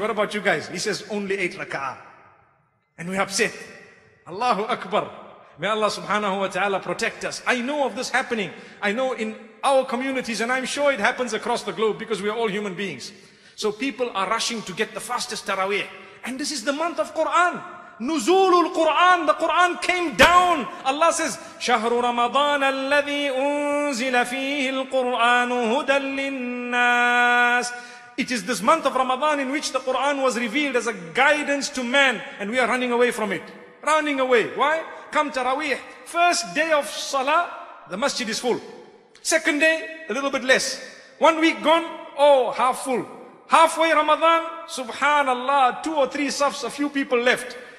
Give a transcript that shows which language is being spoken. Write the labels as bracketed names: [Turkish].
[English] What about you guys? He says, only 8 rak'ah. And we're upset. Allahu Akbar. May Allah subhanahu wa ta'ala protect us. I know of this happening. I know in our communities, and I'm sure it happens across the globe because we are all human beings. So people are rushing to get the fastest taraweeh. And this is the month of Quran. Nuzulul Quran. The Quran came down. Allah says, [Arabic] شهر رمضان الذي أنزل فيه القرآن هدى للناس. [English] It is this month of Ramadan in which the Quran was revealed as a guidance to man, and we are running away from it. Running away. Why? Come Taraweeh. First day of Salah, the masjid is full. Second day, a little bit less. 1 week gone, oh, half full. Halfway Ramadan, subhanallah, 2 or 3 safs, a few people left.